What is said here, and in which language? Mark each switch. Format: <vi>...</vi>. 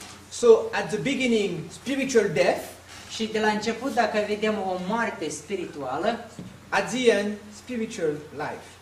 <en>So at the beginning, spiritual death.</en> <ro>Și de la început, dacă vedem o moarte spirituală.</ro> <en>At the end, spiritual life.</en>